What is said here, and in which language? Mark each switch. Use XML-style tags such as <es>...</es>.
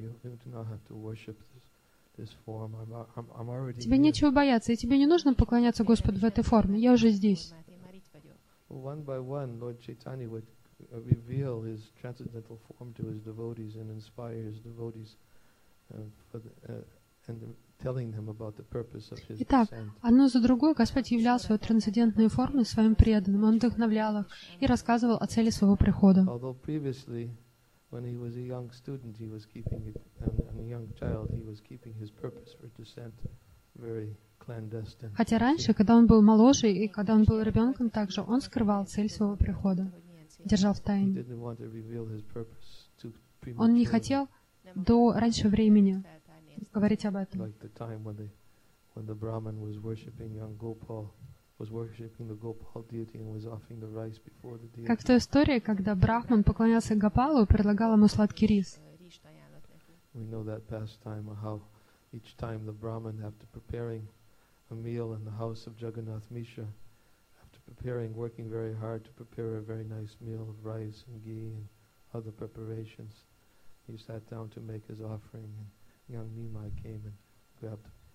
<en>You do not have to worship this form. I'm already.</en> <ru>Тебе нечего бояться, и тебе не нужно поклоняться Господу в этой форме. Я уже здесь.</ru> <en>One by one, Lord Chaitanya would reveal his transcendental form to his devotees and inspire his devotees, and telling them about the purpose of his.</en> <ru>Итак, одно за другое Господь являл свою трансцендентную форму своим преданным. Он вдохновлял их и рассказывал о цели своего прихода.</ru> <en>Although previously, when he was a young student, he was keeping it, and a young child, he was keeping his purpose for descent very clandestine.</en> <ru>Хотя раньше, когда он был моложе и когда он был ребенком, также он скрывал цель своего прихода, держал в тайне.</ru> <en>He didn't want to reveal his purpose too prematurely.</en> <ru>Он не хотел до раньше времени говорить об этом.</ru> <en>Like the time when the Brahmin was worshiping young Gopal. Was worshiping the Gopal deity and was offering the rice before the deity.</en> <ru>Как в той истории, когда Брахман поклонялся Гопалу и предлагал ему сладкий рис.</ru> <en>We know that pastime, how each time the Brahman, after preparing a meal in the house of Jagannath Misha, after preparing, working very hard to prepare a very nice meal of rice and ghee and other preparations, he sat down to make his offering, and young Nimai came and grabbed.</en>